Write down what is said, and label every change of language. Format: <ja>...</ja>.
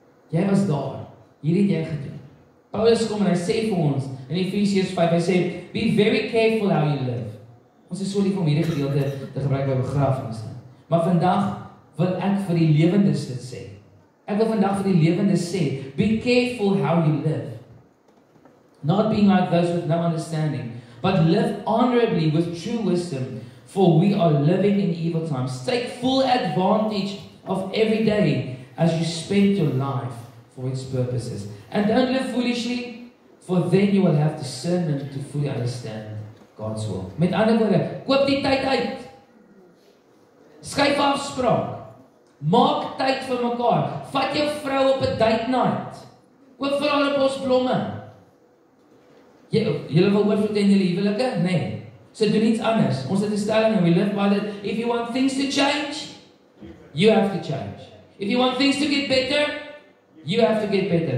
<af>Jy was daar, hier het jy gedoen." Paulus kom en hy sê vir ons, in Efesiërs 5, hy sê,</af> <en>"Be very careful how you live."</en> <af>Ons is so lief om hierdie gedeelte te gebruik by begrafnis. Maar vandag wil ek vir die lewendes dit sê. Ek wil vandag vir die lewendes sê,</af> <en>be careful how you live. Not being like those with no understanding, but live honorably with true wisdom, For we are living in evil times. Take full advantage of every day as you spend your life for its purposes. And don't live foolishly, for then you will have discernment to fully understand God's will.</en> <af>Met ander woorde, koop die tyd uit. Skyf afspraak. Maak tyd vir mekaar. Vat jou vrou op 'n date night. Koop vir haar 'n bos blomme. Julle wil oorvloed in julle huwelike? Nee. So doen iets anders. Ons het 'n stelling,</af> <en>we live by it. If you want things to change, you have to change. If you want things to get better, you have to get better.</en>